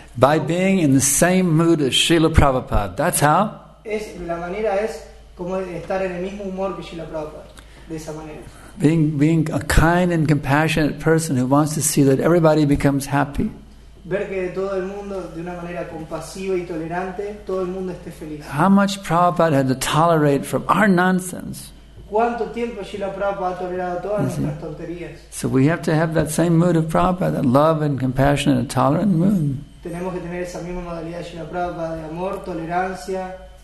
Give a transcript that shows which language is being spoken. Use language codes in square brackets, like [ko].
[en] By being in the same mood as Srila Prabhupada. That's how. [es] Es la manera es como estar en el mismo humor que Srila Prabhupada. De esa manera. [en] Being a kind and compassionate person who wants to see that everybody becomes happy. [es] Ver que todo el mundo de una manera compasiva y tolerante, todo el mundo esté feliz. [en] How much Prabhupada had to tolerate from our nonsense? [es] ¿Cuánto tiempo Srila Prabhupada ha tolerado todas nuestras tonterías? [en] So we have to have that same mood of Prabhupada, that love and compassionate and tolerant mood. [es] Tenemos que tener esa misma modalidad de Srila Prabhupada de amor, tolerancia.